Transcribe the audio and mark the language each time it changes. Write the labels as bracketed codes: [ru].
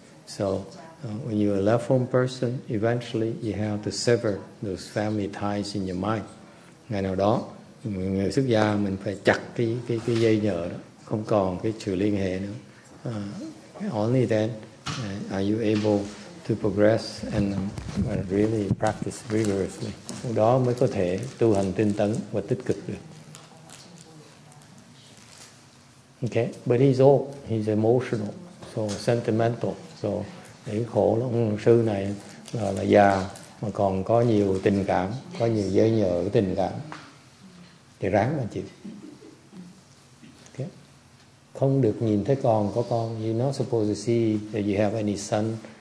[en] So when you're a left home person, eventually you have to sever those family ties in your mind. [vi] Ngày nào đó người xuất gia mình phải chặt cái dây nhợ đó, không còn cái sự liên hệ nữa. [en] Only then are you able to progress and really practice rigorously. [vi] Đó mới có thể tu hành tinh tấn và tích cực được. [en] Okay, but he's old, he's emotional, so sentimental. [vi] So thấy khổ lắm, sư này là già mà còn có nhiều tình cảm, có nhiều dây nhợ tình cảm. Thì ráng mà chịu. Okay. Không được nhìn thấy còn có con. [en] You're not supposed to see that you have any son.